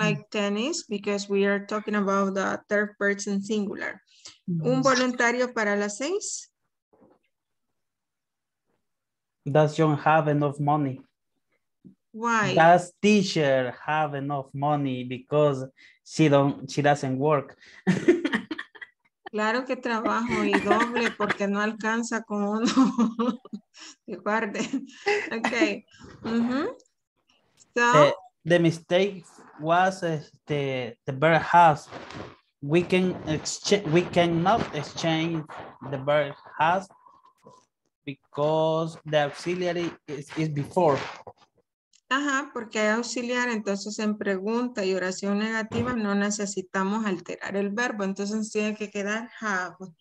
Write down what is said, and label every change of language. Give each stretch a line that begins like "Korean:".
English: like tennis because we are talking about the third person singular.
Spanish: Mm-hmm. ¿Un voluntario para las 6?
English: Does John have enough money? Why? Does teacher have enough money because she doesn't work?
Spanish: Claro que trabajo y doble porque no alcanza con uno. Guarde.
English: Okay. Mm-hmm. So the mistake was the bird has. We cannot exchange the bird has because the auxiliary is before.
Spanish: Ajá, porque hay auxiliar, entonces en pregunta y oración negativa no necesitamos alterar el verbo, entonces tiene que quedar have.